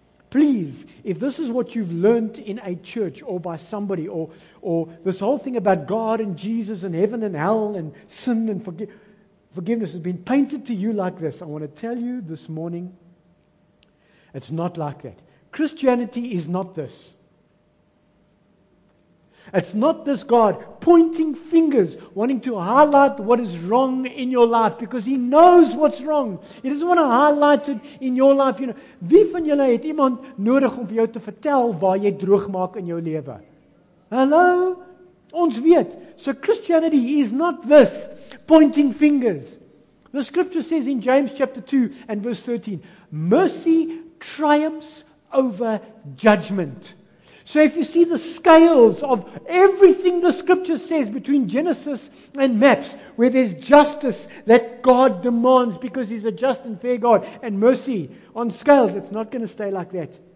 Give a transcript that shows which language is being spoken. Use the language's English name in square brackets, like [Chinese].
[English] Please, if this is what you've learned in a church or by somebody, or this whole thing about God and Jesus and heaven and hell and sin and forgiveness has been painted to you like this, I want to tell you this morning, it's not like that. Christianity is not this. It's not this God pointing fingers, wanting to highlight what is wrong in your life because He knows what's wrong. He doesn't want to highlight it in your life. You know, [Afrikaans] wie van julle het iemand nodig om vir jou te vertel waar jy droog maak in jou lewe? Hello? Ons weet. [English] So Christianity is not this pointing fingers. The scripture says in James chapter 2 and verse 13, mercy triumphs over judgment. So if you see the scales of everything the scripture says between Genesis and MAPS, where there's justice that God demands because He's a just and fair God, and mercy on scales, it's not going to stay like that.